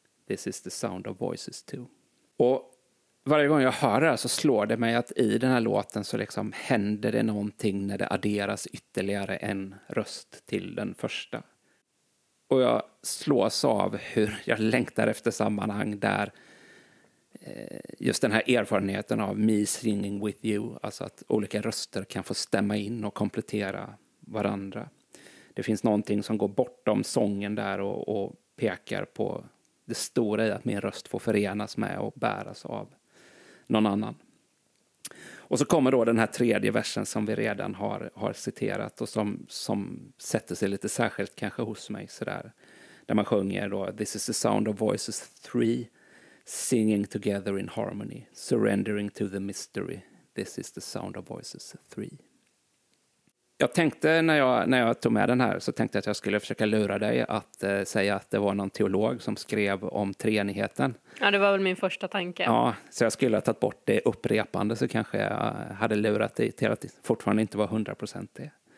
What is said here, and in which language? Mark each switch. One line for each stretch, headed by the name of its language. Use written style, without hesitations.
English: This is the sound of voices too."
Swedish: Och varje gång jag hör det så slår det mig att i den här låten så liksom händer det någonting när det adderas ytterligare en röst till den första. Och jag slås av hur jag längtar efter sammanhang där just den här erfarenheten av
English: me singing with you,
Swedish: alltså att olika röster kan få stämma in och komplettera varandra. Det finns någonting som går bortom sången där och pekar på det stora i att min röst får förenas med och bäras av någon annan. Och så kommer då den här tredje versen som vi redan har citerat och som sätter sig lite särskilt kanske hos mig så där. Där man sjunger då
English: "This is the sound of voices 3 singing together in harmony, surrendering to the mystery. This is the sound of voices 3."
Swedish: Jag tänkte när jag tog med den här så tänkte jag att jag skulle försöka lura dig att säga att det var någon teolog som skrev om treenigheten. Ja, det var väl min första tanke. Ja, så jag skulle ha tagit bort det upprepande så kanske jag hade lurat dig till att det fortfarande inte var 100% det.